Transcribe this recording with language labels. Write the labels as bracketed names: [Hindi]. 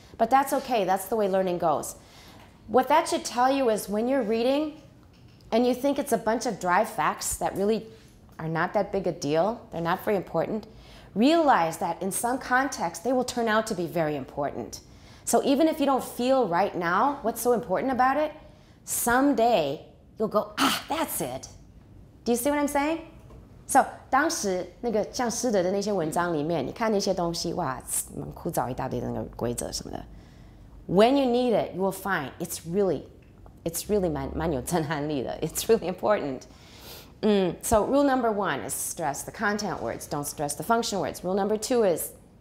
[English] But that's okay, that's the way learning goes. What that should tell you is when you're reading and you think it's a bunch of dry facts that really are not that big a deal, they're not very important, realize that in some context, they will turn out to be very important. So even if you don't feel right now what's so important about it, someday you'll go, that's it. Do you see what I'm saying? [Chinese] So, 当时那个像师德的那些文章里面，你看那些东西，哇，蛮枯燥一大堆的那个规则什么的。 [English] When you need it, you will find it's really [Chinese] 蛮有震撼力的, [English] it's really important. So rule number one is stress the content words, don't stress the function words. Rule number two is?